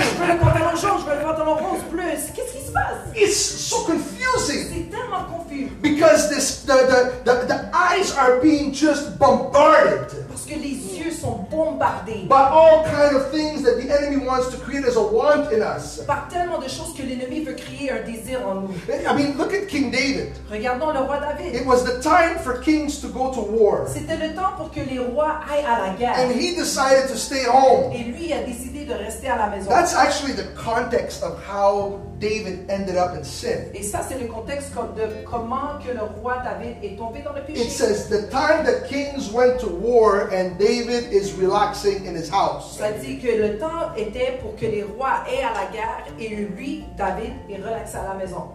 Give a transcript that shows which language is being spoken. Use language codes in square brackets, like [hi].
[fr] Je veux le pantalon jaune. Je veux le pantalon rose plus. Qu'est-ce qui se passe? [en] It's so confusing. [fr] C'est tellement confus. [en] Because this, the eyes are being just bombarded. [fr] Parce que les yeux sont bombardés. [en] By all kind of things that the enemy wants to create as a want in us. [fr] Par tellement de choses que l'ennemi veut créer un désir en nous. [en] I mean, look at King David. [fr] Regardons le roi David. [en] It was the time for kings to go to war. [fr] C'était le temps pour que les rois aillent à la guerre. [en] And he decided to stay home. [fr] Et lui a décidé décider de rester à la maison. [en] That's actually the context of how David ended up in sin. [fr] Et ça, c'est le contexte de comment que le roi David est tombé dans le péché. [en] It says the time that kings went to war and David is relaxing in his house. [fr] Ça dit que le temps était pour que les rois aient à la guerre et lui, David, est relaxé à la maison.